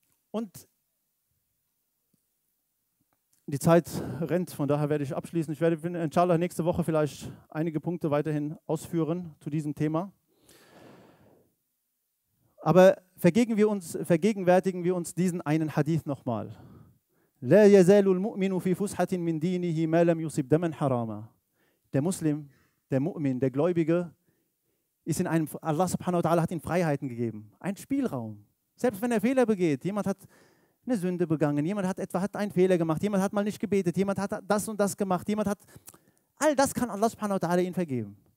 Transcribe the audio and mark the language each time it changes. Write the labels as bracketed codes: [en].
[de] Und die Zeit rennt, von daher werde ich abschließen. Ich werde inshallah nächste Woche vielleicht einige Punkte weiterhin ausführen zu diesem Thema. Aber vergegenwärtigen wir uns diesen einen Hadith nochmal. [ar] لا يزال المؤمن في فسحة من دينه ما لم يصب دما حراما. [de] Der Muslim, der Mu'min, der Gläubige, ist in einem, Allah [ar] subhanahu wa ta'ala [de] hat ihm Freiheiten gegeben, einen Spielraum. Selbst wenn er Fehler begeht, jemand hat eine Sünde begangen, jemand hat einen Fehler gemacht, jemand hat mal nicht gebetet, jemand hat das und das gemacht, all das kann Allah [ar] subhanahu wa ta'ala [de] ihm vergeben.